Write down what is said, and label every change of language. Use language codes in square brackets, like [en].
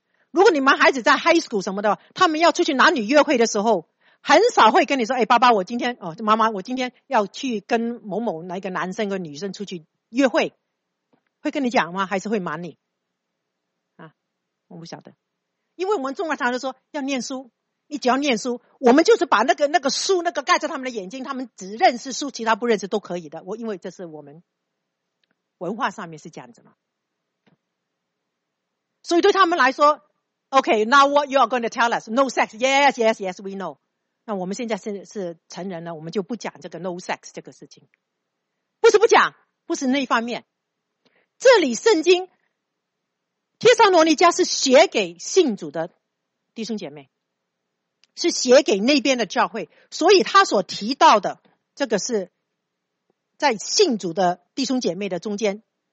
[zh] 如果你们孩子在 high school 什么的，他们要出去男女约会的时候，很少会跟你说：“哎，爸爸，我今天哦，妈妈，我今天要去跟某某哪一个男生跟女生出去约会。” 会跟你讲吗？还是会瞒你？啊，我不晓得，因为我们中国常常说要念书，你只要念书，我们就是把那个书那个盖在他们的眼睛，他们只认识书，其他不认识都可以的。我因为这是我们。文化上面是这样子嘛，所以对他们来说 [en] OK now what you are going to tell us no sex yes yes yes we know [zh] 那我们现在是成人了，我们就不讲这个 no sex 这个事情，不是不讲，不是那一方面。这里圣经帖撒罗尼迦是写给信主的弟兄姐妹，是写给那边的教会，所以他所提到的这个是在信主的弟兄姐妹的中间。